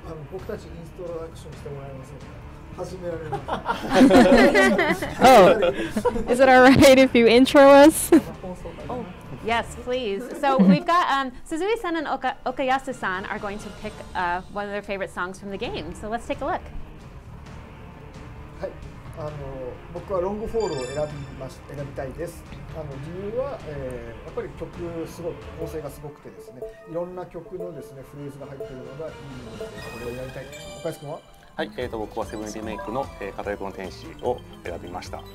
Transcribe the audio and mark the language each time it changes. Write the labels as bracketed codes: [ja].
[ja] 僕たちインストラクションしてもらえませんか？ [en] Oh, is it all right if you intro us? Oh, yes, please. So we've got Suzuki-san and Okayasu-san are going to pick one of their favorite songs from the game. So let's take a look. Hi, I'm going to choose Long Fall. The reason is the song is very strong. There are many phrases in the song. I'm going to play this. Okayasu-san? [ja] はい、僕はセブンリメイクの片翼の天使を選びました。